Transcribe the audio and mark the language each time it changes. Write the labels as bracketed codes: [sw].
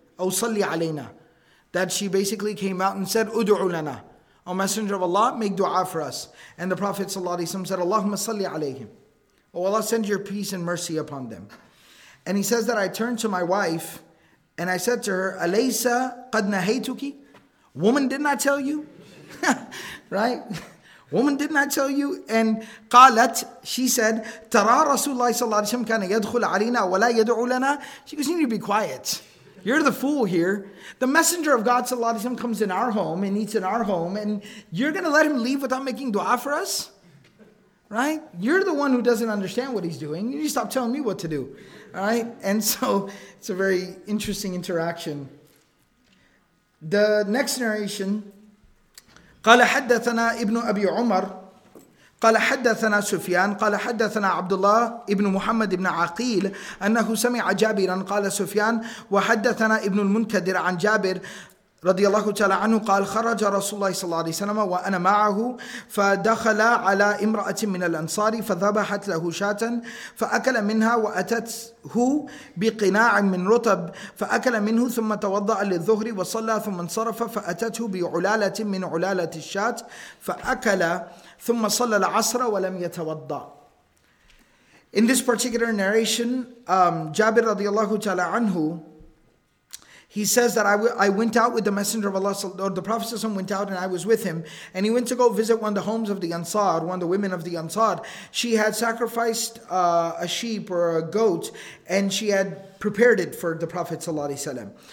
[ar] أو صلي علينا, [en] that she basically came out and said, [ar] أدعو لنا, [en] O Messenger of Allah, make dua for us. And the Prophet ﷺ said, [ar] اللهم صلي عليهم, [en] O Allah, send your peace and mercy upon them. And he says that, I turned to my wife and I said to her, [ar] أليس قد نهيتك, [en] woman, didn't I tell you? Right? Woman, didn't I tell you? And [ar] قالت, [en] she said, [ar] ترى رسول الله صلى الله عليه وسلم كان يدخل علينا ولا يدعو لنا. [en] She goes, you need to be quiet. You're the fool here. The Messenger of God sallallahu alaihi wasallam comes in our home and eats in our home, and you're going to let him leave without making dua for us? Right? You're the one who doesn't understand what he's doing. You need to stop telling me what to do. All right? And so it's a very interesting interaction. The next narration, [ar] قال حدثنا ابن ابي عمر قال حدثنا سفيان قال حدثنا عبد الله ابن محمد ابن عقيل أنه سمع جابرا قال سفيان وحدثنا ابن المنكدر عن جابر رضي الله تعالى عنه قال خرج رسول الله صلى الله عليه وسلم وأنا معه فدخل على امرأة من الأنصار فذبحت له شاة فأكل منها وأتته بقناع من رطب فأكل منه ثم توضأ للظهر وصلى ثم انصرف فأتته بعلالة من علالة الشاة فأكل ثم صلى العصر ولم يتوضأ. [en] In this particular narration, Jabir رضي الله تعالى عنه, he says that I went out with the Messenger of Allah, or the Prophet went out and I was with him, and he went to go visit one of the homes of the Ansar, one of the women of the Ansar. She had sacrificed a sheep or a goat, and she had prepared it for the Prophet ﷺ.